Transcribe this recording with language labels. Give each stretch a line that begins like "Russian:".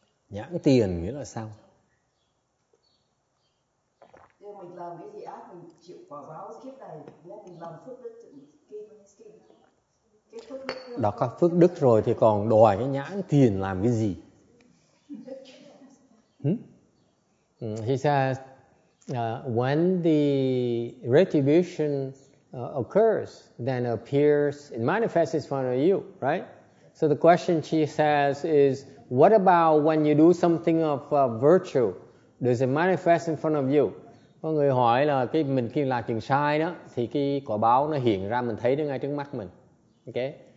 Vietnamese: Nhãn tiền nghĩa là sao? Thì mình làm cái gì ác mình chịu quả báo kiếp này, nên mình làm phước đức cái phước đức. Đó có phước đức rồi thì còn đòi cái nhãn tiền làm cái gì?
English: He says, when the retribution occurs, then appears, it manifests in front of you, right? So the question she says is, what about when you do something of virtue? Does it manifest in front of you?
Vietnamese: Có người hỏi là cái mình khi làm chuyện sai đó, thì cái quả báo nó hiện ra mình thấy nó ngay trước mắt mình, okay?